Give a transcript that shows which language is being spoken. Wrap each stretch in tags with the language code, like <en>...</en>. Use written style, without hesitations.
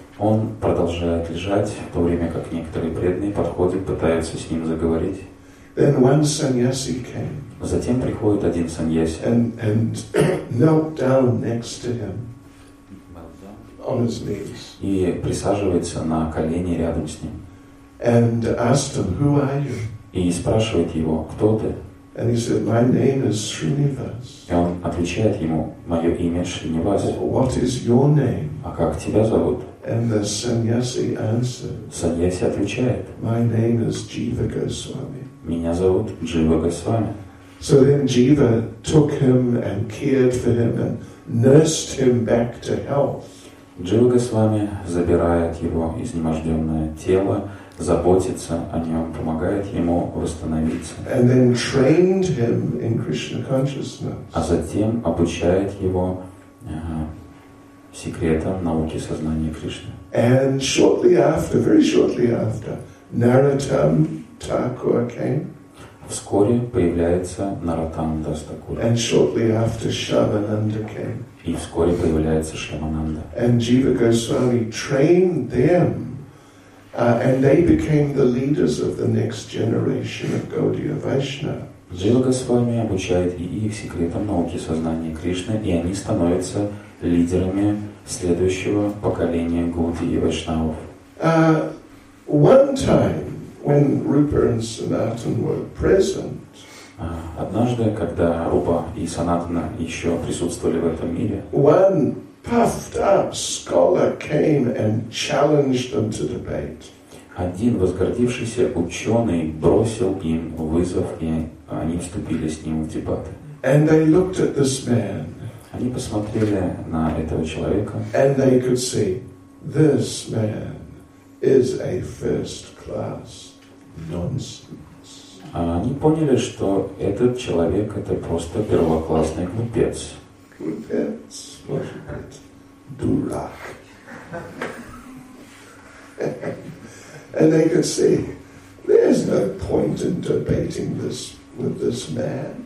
<ru>Он продолжает лежать, в то время как некоторые преданные подходят, пытаются с ним заговорить.</ru> <en>Then one sannyasi came.</en> <ru>Затем приходит один саньяси.</ru> <en>And knelt down next to him. On his knees.</en> <ru>И присаживается на колени рядом с ним.</ru> <en>And asked him, "Who are you?"</en> <ru>И спрашивает его, кто ты?</ru> <en>And he said, "My name is Srinivas."</en> <ru>И он отвечает ему, мое имя Шринивас.</ru> <en>What is your name?</en> <ru>А как тебя зовут?</ru> <en>And the sannyasi answered.</en> <ru>Саньяси отвечает.</ru> <en>My name is Jiva Goswami.</en> <ru>Меня зовут Джива Госвами.</ru> <en>So then Jiva took him and cared for him and nursed him back to health.</en> <ru>Джива Госвами забирает его изнеможденное тело, заботится о нем, помогает ему восстановиться.</ru> <en>And then trained him in Krishna consciousness.</en> <ru>А затем обучает его секретам науки сознания Кришны.</ru> <en>And shortly after, very shortly after, Narottam Thakur came.</en> <ru>Вскоре появляется Наротам Дас Такур.</ru> <en>And shortly after Shyamananda came.</en> <ru>И вскоре появляется Шьямананда.</ru> <en>And Jiva Goswami trained them, and they became the leaders of the next generation of Gaudiya Vaishnavas.</en> <ru>Джива Госвами обучает и их секретам науки сознания Кришны, и они становятся лидерами следующего поколения Гаудии Вайшнавов.</ru> <en>One time. When Rupa and Sanatan were present.</en> <ru>Однажды, когда Рупа и Санатана еще присутствовали в этом мире.</ru> <en>One puffed up scholar came and challenged them to debate.</en> <ru>Один возгордившийся ученый бросил им вызов, и они вступили с ним в дебаты.</ru> <en>And they looked at this man.</en> <ru>Они посмотрели на этого человека.</ru> <en>And they could see, this man is a first class. Nonsense.</en> <ru>Они поняли, что этот человек — это просто первоклассный глупец. Глупец, может быть, дурак.</ru> <en>And they could see, there's no point in debating this with this man.</en>